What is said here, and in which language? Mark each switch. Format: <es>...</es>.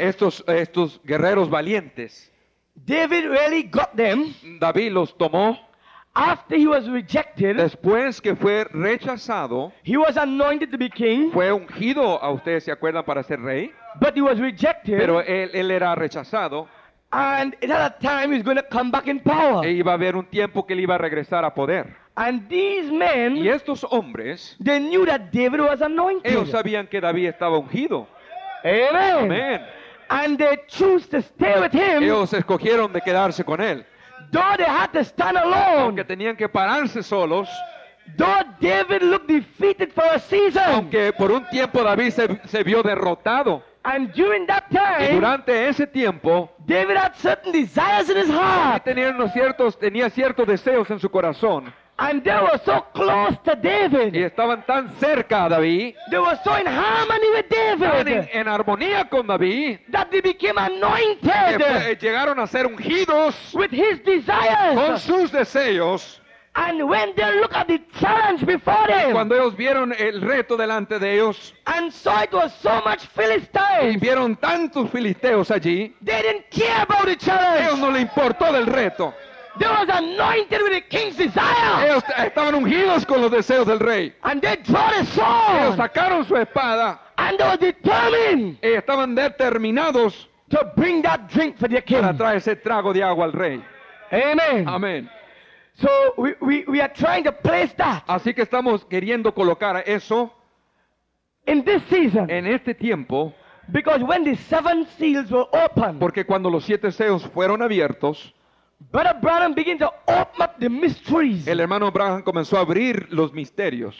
<es>Estos guerreros valientes.</es> <en>David really got them.</en> <es>David los tomó.</es> <en>After he was rejected.</en> <es>Después que fue rechazado.</es> <en>He was anointed to be king.</en> <es>Fue ungido, a ustedes se acuerdan, para ser rey.</es> <en>But he was rejected.</en> <es>Pero él era rechazado.</es> <en>And at that time he's going to come back in power.</en> <es>E iba a haber un tiempo que él iba a regresar a poder.</es> <en>And these men,</en> <es>y estos hombres,</es> <en>they knew that David was anointed.</en> <es>Ellos sabían que David estaba ungido.</es> <en>Amen.</en> <es>Amen.</es> <en>And they chose to stay with him.</en> <es>Ellos escogieron de quedarse con él.</es> <en>Though they had to stand alone.</en> <es>Aunque tenían que pararse solos.</es> <en>Though David looked defeated for a season.</en> <es>Aunque por un tiempo David se vio derrotado.</es> <en>And during that time,</en> <es>y durante ese tiempo,</es> <en>David had certain desires in his heart.</en> <es>Tenía ciertos deseos en su corazón.</es> <en>And they were so close to David.</en> <es>Y estaban tan cerca a David.</es> <en>They were so in harmony with David.</en> <es>Estaban en armonía con David.</es> <en>That they became anointed.</en> <es>Llegaron a ser ungidos.</es> <en>With his desires.</en> <es>Con sus deseos.</es> <en>And when they look at the challenge before them,</en> <es>cuando ellos vieron el reto delante de ellos,</es> <en>and saw it was so much Philistines,</en> <es>y vieron tantos filisteos allí,</es> <en>they didn't care about the challenge.</en> <es>Ellos no le importó del reto.</es> <en>They was anointed with the king's desire.</en> <es>Ellos estaban ungidos con los deseos del rey.</es> <en>And they drew the sword.</en> <es>Ellos sacaron su espada.</es> <en>And they were determined.</en> <es>Y estaban determinados</es> <en>to bring that drink for the king.</en> <es>Para traer ese trago de agua al rey.</es> <en>Amen.</en> <es>Amen.</es> <en>So we are trying to place that.</en> <es>Así que estamos queriendo colocar eso.</es> <en>In this season.</en> <es>En este tiempo.</es> <en>Because when the seven seals were opened.</en> <es>Porque cuando los siete sellos fueron abiertos.</es> <en>Brother Branham began to open up the mysteries.</en> <es>El hermano Branham comenzó a abrir los misterios.</es>